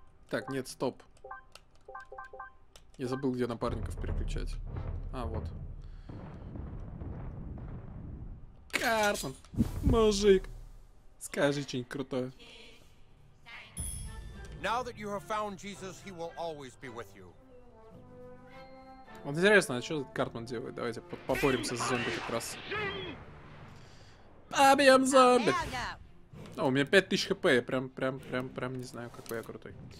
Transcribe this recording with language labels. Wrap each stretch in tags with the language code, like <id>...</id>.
<ru>Так, нет, стоп. Я забыл, где напарников переключать. А, вот. Карман! Мужик! Скажи что-нибудь крутое.</ru> <en>Now that you have found Jesus, he will always be with you.</en> <ru>Вот интересно, а что этот Картман делает? Давайте попоримся с зомби как раз. Побьем зомби! О, у меня 5000 хп, я прям не знаю, какой я крутой.</ru>